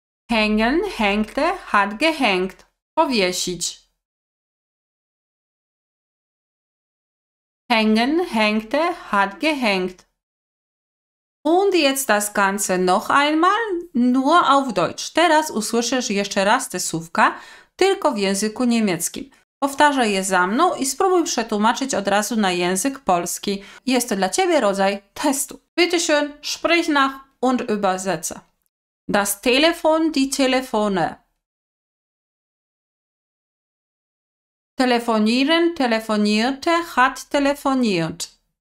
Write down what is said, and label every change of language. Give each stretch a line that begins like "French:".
German: Hängen, hängte, hat gehängt, powiesić. Hängen, hängte, hat gehängt. Und jetzt das Ganze noch einmal, nur auf Deutsch.
Polish: Teraz usłyszysz jeszcze raz te słówka, tylko w języku niemieckim. Powtarzaj je za mną i spróbuj przetłumaczyć od razu na język polski. Jest to dla Ciebie rodzaj testu.
German: Bitte schön, sprich nach und übersetze. Das Telefon, die Telefone. Telefonieren, telefonierte, hat telefoniert.